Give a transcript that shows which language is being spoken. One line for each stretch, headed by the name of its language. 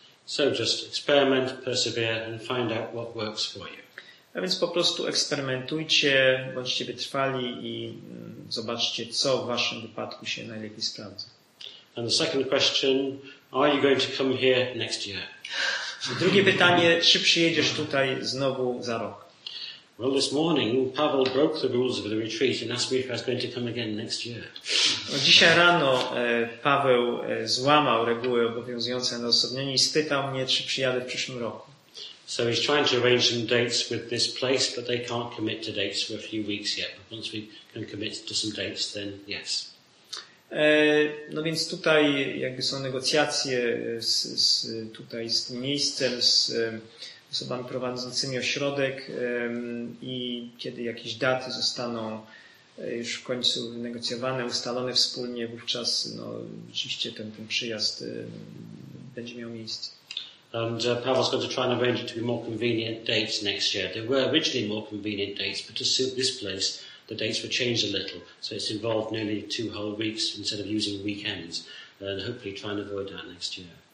English: So just experiment, persevere and find out what works for you.
Polish: A więc po prostu eksperymentujcie, bądźcie wytrwali i zobaczcie, co w waszym wypadku się najlepiej sprawdza.
English: And the second question, are you going to come here next year?
Polish: Drugie pytanie, czy przyjedziesz tutaj znowu za rok?
English: Well, this morning Pavel broke the rules of the retreat and asked me if I was going to come again next year.
Polish: Dzisiaj rano Paweł złamał reguły obowiązujące na osobnieniu i spytał mnie, czy przyjadę w przyszłym roku.
English: So he's trying to arrange some dates with this place, but they can't commit to dates for a few weeks yet. But once we can commit to some dates, then yes.
Polish: No więc tutaj jakby są negocjacje tutaj z tym miejscem, z osobami prowadzącymi ośrodek i kiedy jakieś daty zostaną już w końcu wynegocjowane, ustalone wspólnie, wówczas no, rzeczywiście ten przyjazd będzie miał miejsce.
English: And Pavel's going to try and arrange it to be more convenient dates next year. There were originally more convenient dates, but to suit this place, the dates were changed a little. So it's involved nearly two whole weeks instead of using weekends. And hopefully try and avoid that next year.